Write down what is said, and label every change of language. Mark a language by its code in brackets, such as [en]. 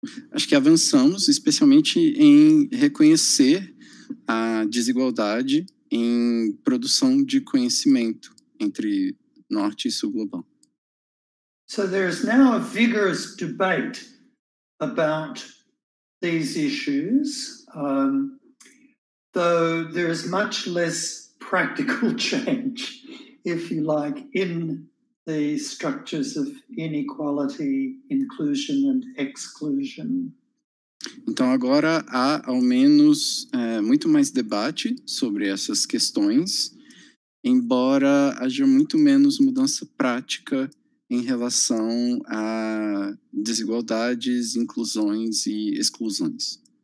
[pt] Acho que avançamos, especialmente em reconhecer a desigualdade em produção de conhecimento entre norte e sul global. [en] So there is now a vigorous debate about these issues, though there is much less practical change, if you like, in the structures of inequality, inclusion and exclusion. [pt] Então agora há ao menos muito mais debate sobre essas questões, embora haja muito menos mudança prática em relação a desigualdades, inclusões e exclusões.